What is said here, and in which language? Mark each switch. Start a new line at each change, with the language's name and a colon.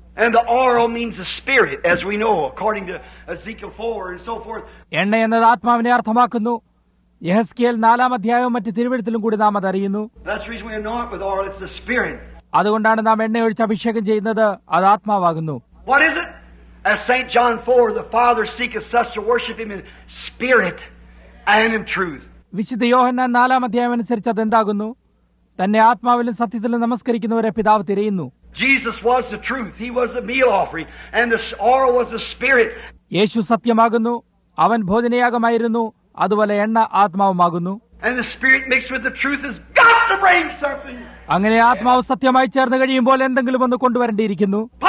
English: And the oil means the spirit, as we know, according to Ezekiel 4 and so forth.
Malayalam: എണ്ണ എന്നത് ആത്മാവിനെ അർത്ഥമാക്കുന്നു. യെഹെസ്കേൽ 4 അധ്യായവും മറ്റ് തിരുവെഴുത്തിലും കൂടി നാം അതറിയുന്നു.
English: That's the reason we anoint with oil, it's the spirit.
Malayalam: അതുകൊണ്ടാണ് നാം എണ്ണ ഒഴിച്ച് അഭിഷേകം ചെയ്യുന്നത്, അത് ആത്മാവാകുന്നു.
English: What is it? As St. John 4, the Father seeketh us to worship him in spirit and in truth.
Malayalam: വിശുദ്ധ യോഹന്നാൻ 4 അധ്യായം അനുസരിച്ച് അതെന്താകുന്നു? തന്നെ ആത്മാവിലും സത്യത്തിലും നമസ്കരിക്കുന്നവരെ പിതാവ് തിരയുന്നു.
English: Jesus was the truth. He was the meal offering. And the oil was the spirit.
Malayalam: യേശു സത്യമാകുന്നു. അവൻ ഭോജനയാഗമായിരുന്നു. അതുപോലെ എണ്ണ ആത്മാവുമാകുന്നു.
English: And the spirit mixed with the truth has got to bring something.
Malayalam: അങ്ങനെ ആത്മാവ് സത്യമായി ചേർന്നു കഴിയുമ്പോൾ എന്തെങ്കിലും ഒന്ന് കൊണ്ടുവരേണ്ടിയിരിക്കുന്നു.